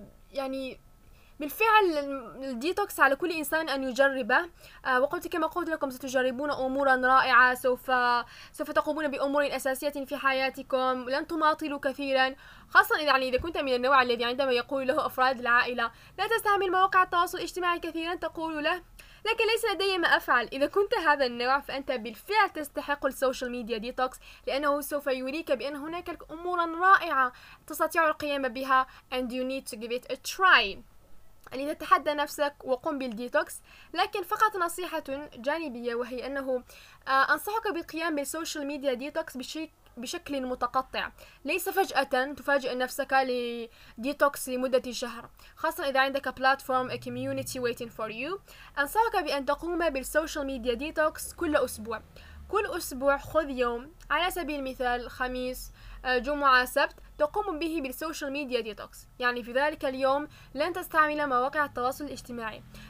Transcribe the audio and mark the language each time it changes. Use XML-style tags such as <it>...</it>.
<ar>يعني بالفعل الديتوكس على كل إنسان أن يجربه، وقلت كما قلت لكم ستجربون أمورا رائعة، سوف تقومون بأمور أساسية في حياتكم، لن تماطلوا كثيرا، خاصة إذا يعني إذا كنت من النوع الذي عندما يقول له أفراد العائلة لا تستعمل مواقع التواصل الاجتماعي كثيرا تقول له لكن ليس لدي ما أفعل. إذا كنت هذا النوع فأنت بالفعل تستحق السوشيال ميديا ديتوكس، لأنه سوف يريك بأن هناك أمورا رائعة تستطيع القيام بها.</ar> <en>And you need to give it a try،</en> <ar>أن تتحدى نفسك وقم بالديتوكس. لكن فقط نصيحة جانبية، وهي أنه أنصحك بالقيام بالسوشيال ميديا ديتوكس بشكل متقطع، ليس فجأة تفاجئ نفسك لديتوكس لمدة شهر، خاصة إذا عندك بلاتفورم</ar> <en>a community waiting for you.</en> <ar>أنصحك بأن تقوم بالسوشيال ميديا ديتوكس كل أسبوع، كل أسبوع خذ يوم، على سبيل المثال خميس جمعة سبت تقوم به بالسوشيال ميديا ديتوكس، يعني في ذلك اليوم لن تستعمل مواقع التواصل الاجتماعي.</ar>